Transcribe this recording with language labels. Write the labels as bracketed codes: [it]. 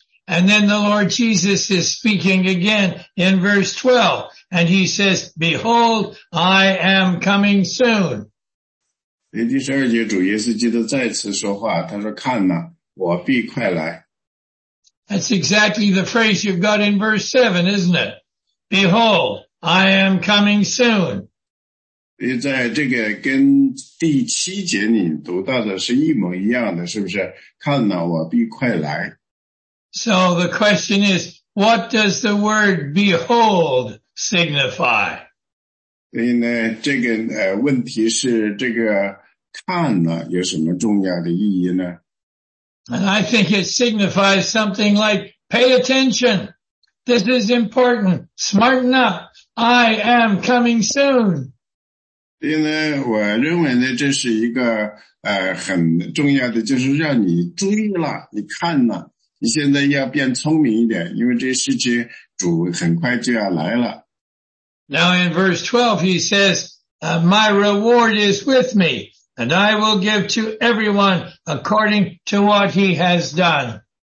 [en] And then the Lord Jesus is speaking again in verse 12, and he says, behold, I am coming soon. [zh] 第十二节主耶稣基督再次说话，他说看哪，我必快来。 [en] That's exactly the phrase you've got in verse 7, isn't it? Behold, I am coming soon. [zh] 在这个跟第七节你读到的是一模一样的，是不是？看哪，我必快来。 [en] So the question is, What does the word behold signify? [zh] 所以呢，这个问题是这个看呢有什么重要的意义呢？ [en] And I think it signifies something like, pay attention. This is important. Smarten up. I am coming soon. [zh] 因为我认为呢，这是一个很重要的，就是让你注意了，你看了，你现在要变聪明一点，因为这事情主很快就要来了。 [en] Now in verse 12, he says, my reward is with me. And I will give to everyone according to what he has done.